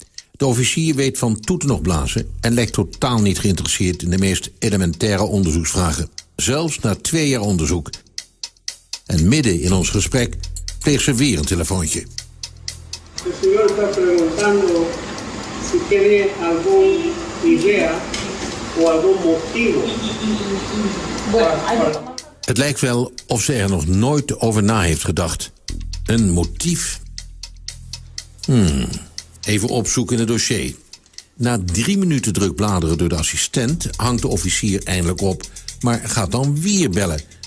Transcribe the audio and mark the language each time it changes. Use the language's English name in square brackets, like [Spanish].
[Dutch] De officier weet van toeten nog blazen en lijkt totaal niet geïnteresseerd in de meest elementaire onderzoeksvragen. Zelfs na 2 jaar onderzoek. En midden in ons gesprek pleegt ze weer een telefoontje. [Spanish] De señor está preguntando si tiene algún idea o algún motivo. [Dutch] Het lijkt wel of ze er nog nooit over na heeft gedacht. Een motief? Even opzoeken in het dossier. Na 3 minuten druk bladeren door de assistent hangt de officier eindelijk op, maar gaat dan weer bellen.